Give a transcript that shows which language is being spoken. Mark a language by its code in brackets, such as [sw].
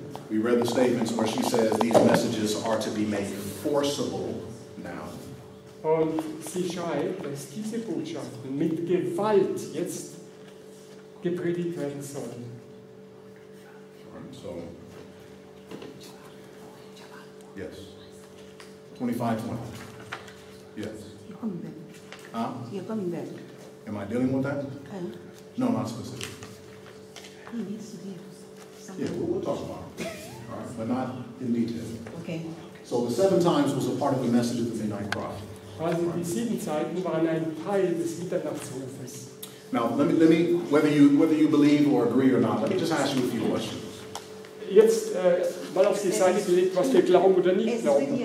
[en] we read the statements where she says these messages are to be made forcible now. [de] Und sie schreibt, dass diese Botschaften mit Gewalt jetzt gepredigt werden sollen. [en] So, yes. 25:20. Yes. You're coming back. Huh? You're coming back. Am I dealing with that? Okay. No, not specific. He needs to hear something. Yeah, we'll talk about it. All right, but not in detail. Okay. So the seven times was a part of the message of the midnight cry. Also, right. [de] Die sieben Zeiten waren ein Teil des Mitternachtsrufes. [en] Now, let me, whether you believe or agree or not, let me just ask you a few questions. [de] Jetzt mal auf die Seite gelegt, was wir glauben oder nicht glauben.